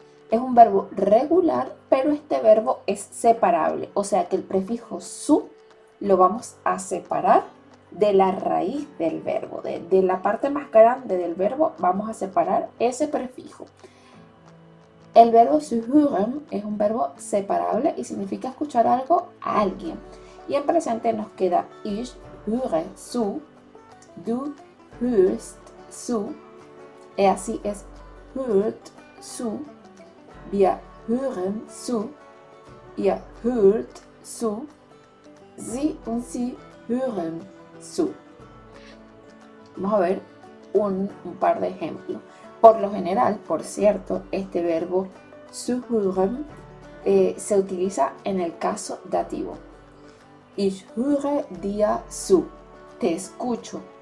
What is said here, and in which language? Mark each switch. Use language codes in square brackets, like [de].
[es] Es un verbo regular, pero este verbo es separable, o sea que el prefijo su lo vamos a separar de la raíz del verbo, de la parte más grande del verbo, vamos a separar ese prefijo. El verbo zuhören es un verbo separable y significa escuchar algo a alguien. Y en presente nos queda [de] ich höre zu, du hörst zu, [es] y así [de] es hört zu, wir hören zu, ihr hört zu, sie und sie hören zu. [es] Vamos a ver un par de ejemplos. Por lo general, por cierto, este verbo zuhören se utiliza en el caso dativo. [de] Ich höre dir zu. [es] Te escucho.